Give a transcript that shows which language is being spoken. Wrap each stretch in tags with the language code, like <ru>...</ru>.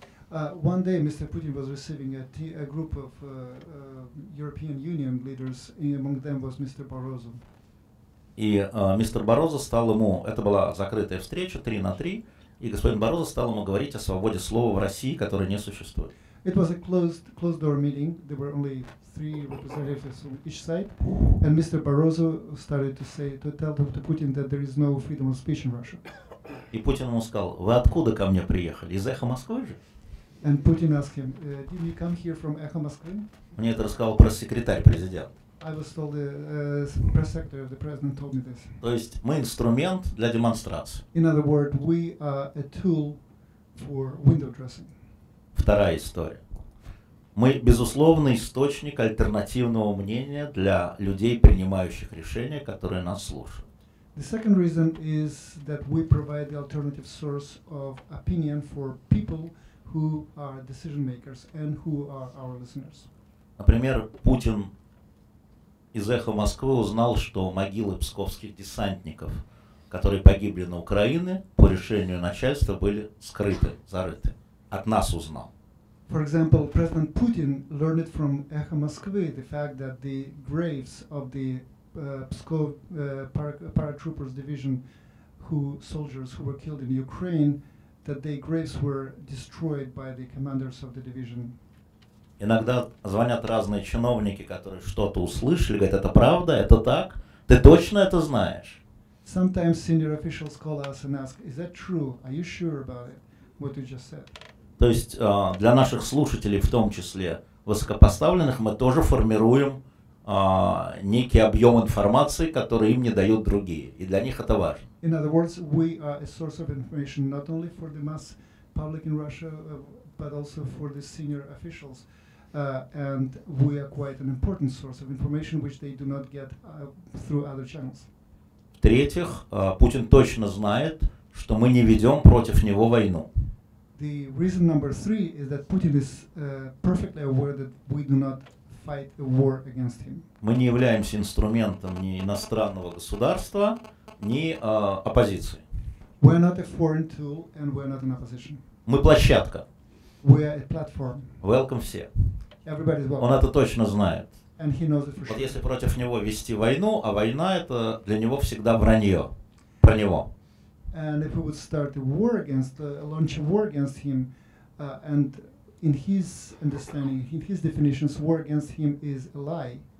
<en>One day Mr. Putin was receiving a group of European Union leaders, and among them was Mr. Barroso.</en> <ru>И мистер Барозо стал ему, это была закрытая встреча, 3-3, и господин Барозо стал ему говорить о свободе слова в России, которая не существует.</ru> <en>It was a closed door meeting. There were only three representatives on each side, and Mr. Barroso started to tell Dr. Putin that there is no freedom of speech in Russia.</en> <ru>И Путин ему сказал: вы откуда ко мне приехали? Из Эхо Москвы же?</ru> <en>And Putin asked him, did you come here from Echo Moscow?</en> <ru>Мне это рассказал пресс-секретарь президента.</ru> <en>I was told the press secretary of the president told me this.</en> <ru>То есть мы инструмент для демонстрации.</ru> <en>In other words, we are a tool for window dressing.</en> <ru>Вторая история. Мы безусловный источник альтернативного мнения для людей, принимающих решения, которые нас слушают.</ru> <en>The second reason is that we provide the alternative source of opinion for people who are decision makers and who are our listeners.</en> <ru>Например, Путин из Эхо Москвы узнал, что могилы псковских десантников, которые погибли на Украине, по решению начальства были скрыты, зарыты. От нас узнал.</ru> <en>For example, President Putin learned it from Эхо Москвы, the fact that the graves of the Pskov paratroopers division, who soldiers who were killed in Ukraine, that the graves were destroyed by the commanders of the division.</en> <ru>Иногда звонят разные чиновники, которые что-то услышали, говорят: это правда, это так? Ты точно это знаешь?</ru> <en>Sometimes senior officials call us and ask, is that true? Are you sure about it, what you just said?</en> <ru>То есть для наших слушателей, в том числе высокопоставленных, мы тоже формируем некий объем информации, который им не дают другие, и для них это важно.</ru> <en>In other words, we are a source of information not only for the mass public in Russia, but also for the senior officials. And we are quite an important source of information, which they do not get through other channels.</en> <ru>В-третьих, Путин точно знает, что мы не ведем против него войну.</ru> <en>The reason number three is that Putin is perfectly aware that we do not fight a war against him.</en> <ru>Мы не являемся инструментом ни иностранного государства, ни оппозиции.</ru> <en>We are not a foreign tool and we are not an opposition.</en> <ru>Мы площадка.</ru> <en>We are a platform. Welcome</en> <ru>все.</ru> <en>Everybody is welcome.</en> <ru>Он это точно знает.</ru> <en>and he knows it for</en> <ru>вот</ru> <en>sure.</en> <ru>Если против него вести войну, а война это для него всегда вранье про него.</ru> <en>And if we would start a war against, launch a war against him, and in his understanding, in his definitions, war against him is a lie.</en>